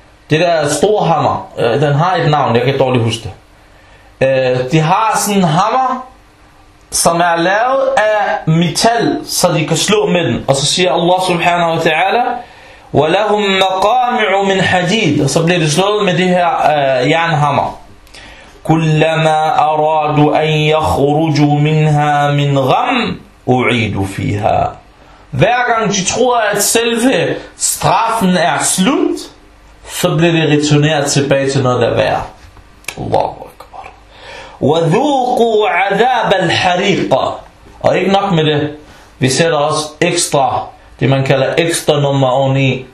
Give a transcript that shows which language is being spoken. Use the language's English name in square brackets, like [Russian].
[Danish] Det der store hammer. Den har et navn, jeg kan dårligt huske det. De har sådan en hammer, som er lavet af metal, så de kan slå med den. Og så siger Allah [Arabic] subhanahu wa ta'ala, وَلَهُمْ مَقَامِعُ مِنْ حَدِيدٍ. [Danish] Og så bliver det slået med det her jernhammer. [Arabic] كلما أرادوا أن يخرجوا منها من غم أعيدوا فيها. [Danish] Hver gang de tror, at selve straffen er slut, så bliver de returneret tilbage til noget der værre. [Arabic] Allahu Akbar. وذوقوا عذاب الحريق. [Danish] Og ikke nok med det. Vi sætter også ekstra, det man kalder ekstra nummer oveni.